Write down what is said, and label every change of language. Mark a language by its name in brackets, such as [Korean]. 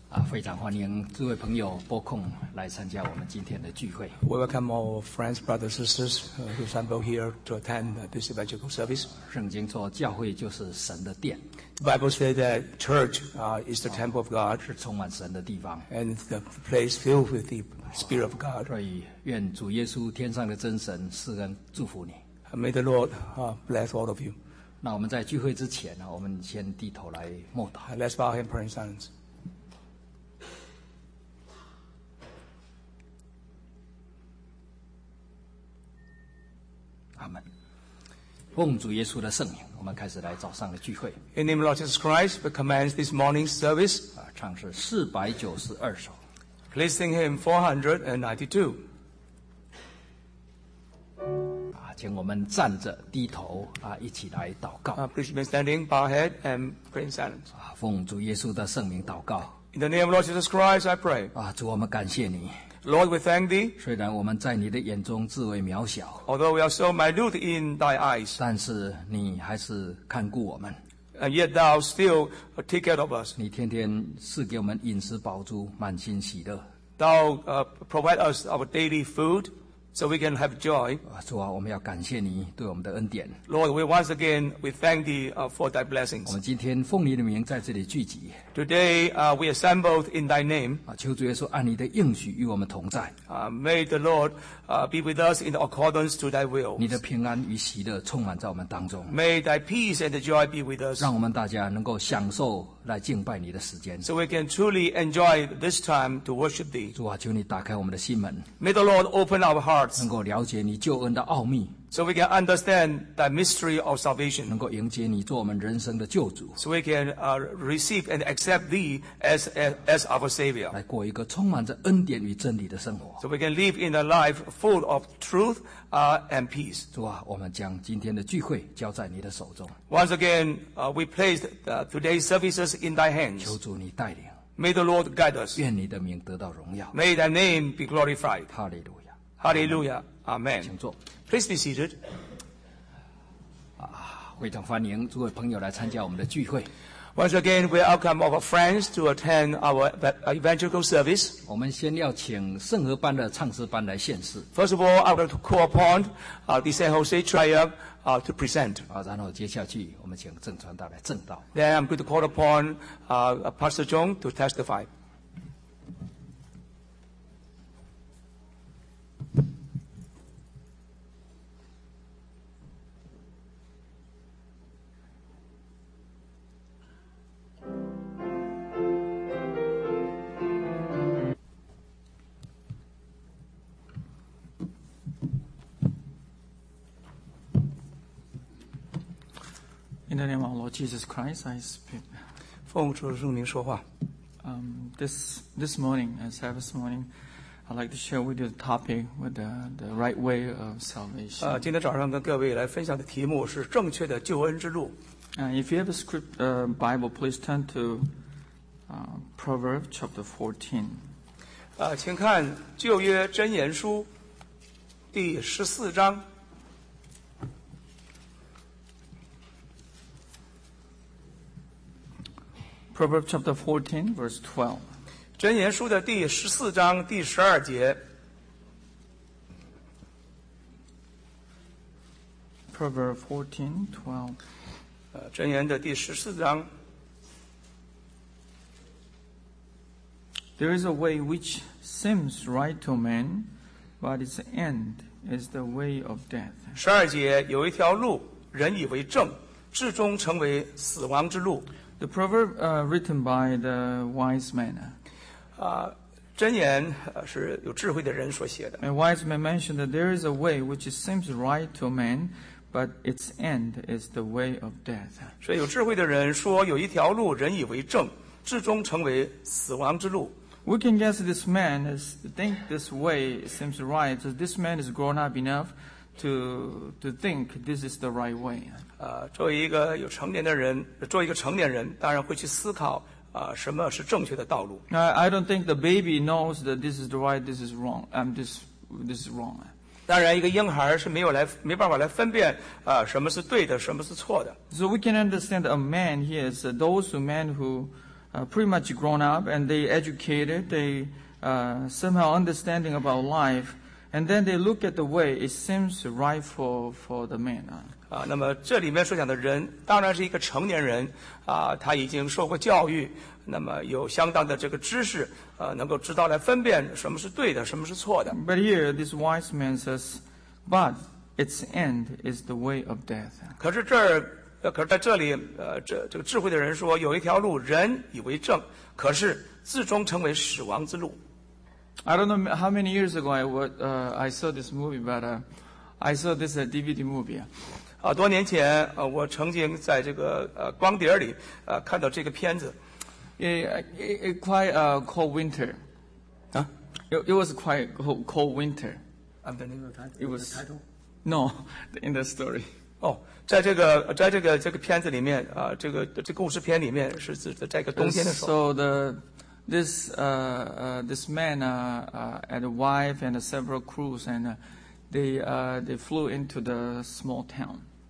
[Chinese] 非常欢迎诸位朋友拨空来参加我们今天的聚会。 [English] We welcome all friends, brothers, sisters, who assemble here to attend this evangelical service. [Chinese] 圣经说教会就是神的殿。 [English] The Bible says that church, is the temple of God. [Chinese] 是充满神的地方。 [English] And the place filled with the Spirit of God. [Chinese] 所以愿主耶稣天上的真神赐恩祝福你。 [English] May the Lord, bless all of you. [Chinese] 那我们在聚会之前呢，我们先低头来默祷。 [English] Let's bow and pray in silence. [Chinese] 奉主耶稣的圣名，我们开始来早上的聚会。 [English] In the name of Lord Jesus Christ, we commence this morning service. [Chinese] 唱是492首。 [English] Please sing hymn 492. [Chinese] 请我们站着低头一起来祷告。 [English] Please remain standing, bow head and pray in silence. [Chinese] 奉主耶稣的圣名祷告。 [English] In the name of Lord Jesus Christ, I pray. [Chinese] 主，我们感谢你。 [English] Lord, we thank thee. [Chinese] 虽然我们在你的眼中自为渺小。 [English] Although we are so minute in thy eyes. [Chinese] 但是你还是看顾我们。 [English] And yet thou still take care of us. [Chinese] 你天天赐给我们饮食饱足，满心喜乐。 [English] Thou provide us our daily food, so we can have joy. [Chinese] 主啊，我们要感谢你对我们的恩典。 [English] Lord, we once again, we thank thee for thy blessings. [Chinese] 我们今天奉你的名在这里聚集。 [English] Today, we assembled in thy name. [Chinese] 求主耶稣按你的应许与我们同在。 [English] May the Lord, be with us in accordance to thy will. [Chinese] 你的平安与喜乐充满在我们当中。 [English] May thy peace and joy be with us. [Chinese] 让我们大家能够享受来敬拜你的时间。 [English] So we can truly enjoy this time to worship thee. [Chinese] 主啊，求你打开我们的心门。 [English] May the Lord open our hearts. [Chinese] 能够了解你救恩的奥秘。 [English] So we can understand that mystery of salvation. [Chinese] 能够迎接你做我们人生的救主。 [English] So we can receive and accept thee as our savior. [Chinese] 来过一个充满着恩典与真理的生活。 [English] So we can live in a life full of truth, and peace. [Chinese] 主啊，我们将今天的聚会交在你的手中。 [English] Once again, we placed today's services in thy hands. [Chinese] 求主你带领。 [English] May the Lord guide us. [Chinese] 愿你的名得到荣耀。 [English] May thy name be glorified. Hallelujah. Hallelujah. Amen. [Chinese] 请坐。 [English] Please be seated. [Chinese] 非常欢迎诸位朋友来参加我们的聚会。 [English] Once again, we welcome our friends to attend our evangelical service. [Chinese] 我们先要请圣和班的唱诗班来献诗。 [English] First of all, I would like to call upon the San Jose Triumph to present. [Chinese] 然后接下去我们请郑传道来证道。 [English] Then I'm going to call upon Pastor Zhong to testify. In the name of Lord Jesus Christ, I speak. [Chinese] 奉主的圣名说话。 [English] This morning, as Sabbath morning, I'd like to share with you the topic with the right way of salvation. [Chinese] 今天早上跟各位来分享的题目是正确的救恩之路。 [English] If you have a script, Bible, please turn to Proverbs chapter 14. [Chinese] 请看旧约箴言书第十四章。 [English] Proverbs chapter 14, verse 12. [Chinese] 箴言书的第十四章第十二节。 [English] Proverbs 14, 12. [Chinese] 箴言的第十四章。 [English] There is a way which seems right to man, but its end is the way of death. [Chinese] 十二节，有一条路，人以为正，至终成为死亡之路。 [English] The proverb written by the wise man. [Chinese] 箴言是有智慧的人所写的。 [English] A wise man mentioned that there is a way which seems right to man, but its end is the way of death. [Chinese] 所以有智慧的人说，有一条路人以为正，至终成为死亡之路。 [English] We can guess this man is think this way seems right. So this man is grown up enough to think this is the right way. [Chinese] 作为一个有成年的人，作为一个成年人，当然会去思考什么是正确的道路。 [English] I don't think the baby knows that this is the right, this is wrong. This is wrong. [Chinese] 当然，一个婴孩是没办法来分辨什么是对的，什么是错的。 [English] So we can understand a man here is those who pretty much grown up, and they educated, they somehow understanding about life, and then they look at the way it seems right for the man. [Chinese] 那么这里面所讲的人当然是一个成年人他已经受过教育，那么有相当的这个知识能够知道来分辨什么是对的，什么是错的。 [English] But here this wise man says, but its end is the way of death. [Chinese] 可是在这里这个智慧的人说，有一条路人以为正，可是最终成为死亡之路。 [English] I don't know how many years ago I saw this movie, but I saw this DVD movie. [Chinese] 多年前我曾经在这个光碟里看到这个片子。 [English] It quite cold winter. It was quite cold winter. The title? No, in the story. [Chinese] 在这个片子里面这故事片里面是指的在一个冬天的时候。 [English] So this man and a wife and several crews and they flew into the small town.